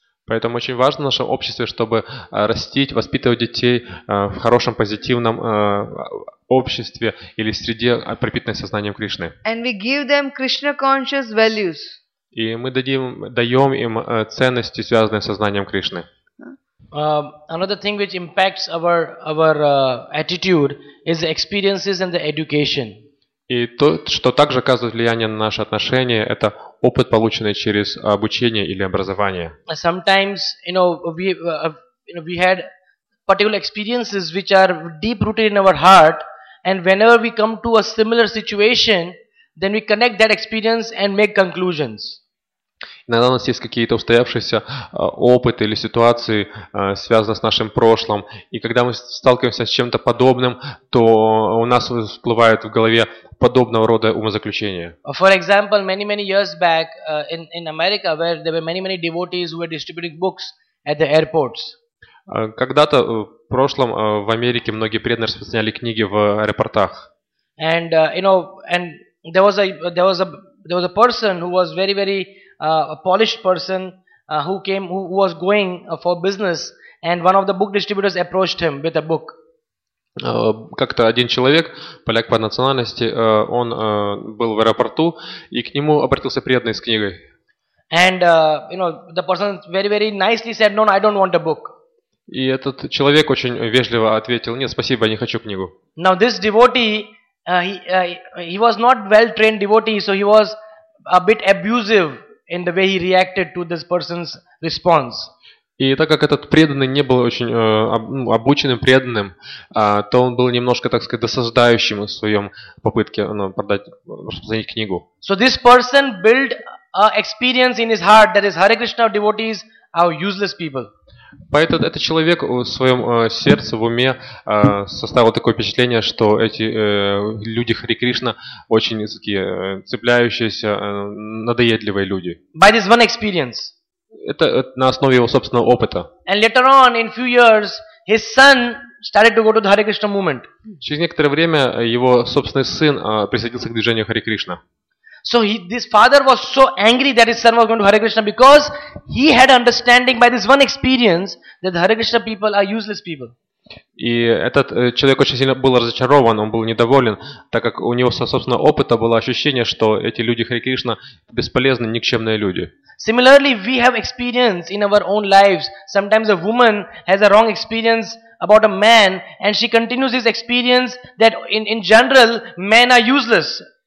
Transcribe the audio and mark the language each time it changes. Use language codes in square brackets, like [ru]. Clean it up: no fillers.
[ru] Поэтому очень важно в нашем обществе, чтобы растить, воспитывать детей в хорошем, позитивном обществе или среде, пропитанной сознанием Кришны. [en] And we give them Krishna conscious values. [ru] И мы даем им ценности, связанные с сознанием Кришны. [en] Another thing which impacts our attitude is the experiences and the education. [ru] И то, что также оказывает влияние на наши отношения, это опыт, полученный через обучение или образование. [en] Sometimes, we had particular experiences which are deep rooted in our heart, and whenever we come to a similar situation, then we connect that experience and make conclusions. [ru] Иногда у нас есть какие-то устоявшиеся опыты или ситуации, связанные с нашим прошлым. И когда мы сталкиваемся с чем-то подобным, то у нас всплывает в голове подобного рода умозаключения. [en] For example, many years back in America, where there were many devotees who were distributing books at the airports. [ru] Когда-то в прошлом в Америке многие преданные распространяли книги в аэропортах. [en] And there was a person who was very a polished person who was going for business, and one of the book distributors approached him with a book. [ru] Как-то один человек, поляк по национальности, он был в аэропорту, и к нему обратился преданный с книгой. [en] And the person very nicely said, "No, I don't want a book." [ru] И этот человек очень вежливо ответил: "Нет, спасибо, я не хочу книгу." [en] Now this devotee, he was not well trained devotee, so he was a bit abusive in the way he reacted to this person's response. [ru] И так как этот преданный не был очень обученным преданным, то он был немножко, так сказать, досаждающим в своем попытке распространить книгу. [en] So this person built an experience in his heart that is, Hare Krishna devotees are useless people. [ru] Поэтому этот человек в своем сердце, в уме составил такое впечатление, что эти люди Хари Кришна очень такие цепляющиеся, надоедливые люди. [en] By this one experience. [ru] Это на основе его собственного опыта. [en] And later on, in few years, his son started to go to the Hare Krishna movement. [ru] Через некоторое время его собственный сын присоединился к движению Хари Кришна. [en] So this father was so angry that his son was going to Hare Krishna because he had understanding by this one experience that the Hare Krishna people are useless people. [ru] И этот человек очень сильно был разочарован, он был недоволен, так как у него со собственного опыта было ощущение, что эти люди Хари Кришна бесполезны, никчемные люди. [en] Similarly, we have experience in our own lives. Sometimes a woman has a wrong experience about a man, and she continues this experience that in general men are useless.